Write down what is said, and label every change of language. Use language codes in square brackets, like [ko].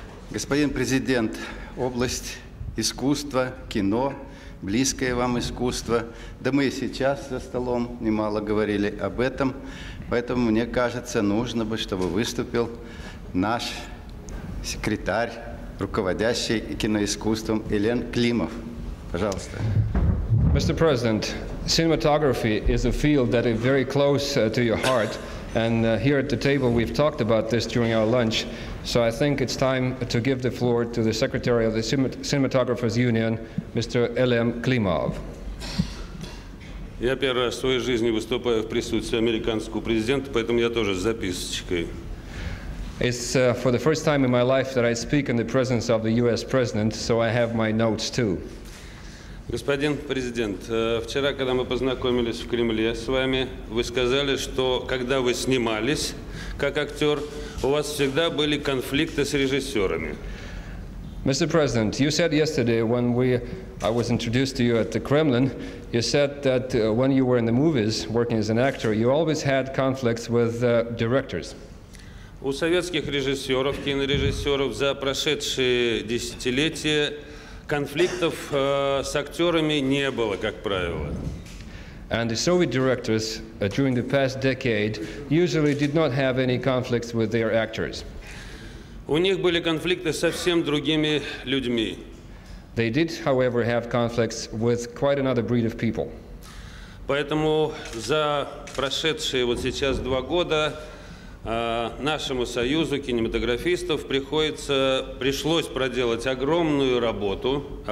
[ru] Господин президент, область искусства, кино, близкое вам искусство. Да мы и сейчас за столом немало говорили об этом, поэтому мне кажется, нужно бы, чтобы выступил наш секретарь, руководящий киноискусством Елен Климов. Пожалуйста. [en] Mr. President, cinematography is a field that is very close to your heart, and here at the table we've talked about this during our lunch, so I think it's time to give the floor to the Secretary of the Cinematographers Union, Mr. Elem Klimov. [ru] Я первый раз в своей жизни выступаю в присутствии американского президента, поэтому я тоже с записочкой. [en] It's for the first time in my life that I speak in the presence of the U.S. president, so I have my notes too. [ru] Господин президент, вчера, когда мы познакомились в Кремле с вами, вы сказали, что когда вы снимались как актер, у вас всегда были конфликты с режиссерами. [en] Mr. President, you said yesterday when I was introduced to you at the Kremlin, you said that when you were in the movies working as an actor, you always had conflicts with directors. [ru] У советских режиссеров, кинорежиссеров за прошедшие десятилетия конфликтов с актерами не было, как правило. [en] And the Soviet directors during the past decade usually did not have any conflicts with their actors. [ru] У них были конфликты со совсем другими людьми. [en] They did, however, have conflicts with quite another breed of people. [ru] Поэтому за прошедшие вот сейчас два года нашему союзу кинематографистов пришлось проделать огромную работу.